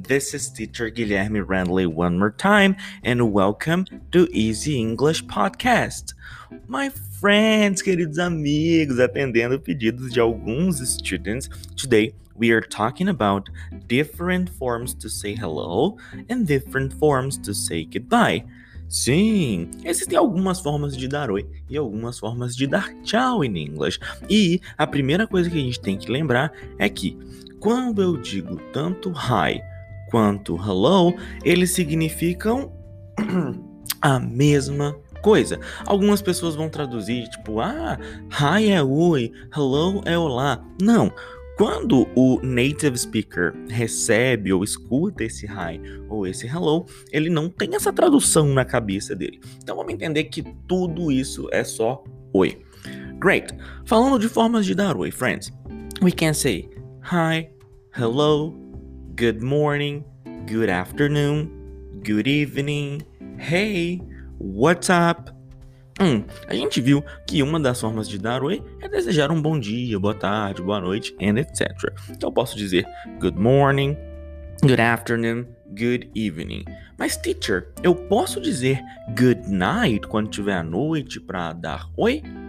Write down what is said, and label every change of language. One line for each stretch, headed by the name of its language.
English: This is teacher Guilherme Randley one more time and welcome to Easy English Podcast. My friends,
Portuguese: queridos amigos, atendendo pedidos de alguns
English: students, today we are talking about different forms to say hello and different forms to say goodbye.
Portuguese: Sim, existem algumas formas de dar oi e algumas formas de dar tchau em inglês. E a primeira coisa que a gente tem que lembrar é que quando eu digo tanto hi quanto hello, eles significam a mesma coisa. Algumas pessoas vão traduzir tipo, hi é oi, hello é olá. Não. Quando o native speaker recebe ou escuta esse hi ou esse hello, ele não tem essa tradução na cabeça dele. Então vamos entender que tudo isso é só oi.
English: Great.
Portuguese: Falando de formas de dar oi, friends.
English: We can say hi, hello, good morning, good afternoon, good evening, hey, what's up?
Portuguese: A gente viu que uma das formas de dar oi é desejar um bom dia, boa tarde, boa noite,
English: and etc.
Portuguese: Então eu posso dizer
English: good morning, good afternoon, good evening.
Portuguese: Mas teacher, eu posso dizer
English: good night
Portuguese: quando tiver à noite para dar oi?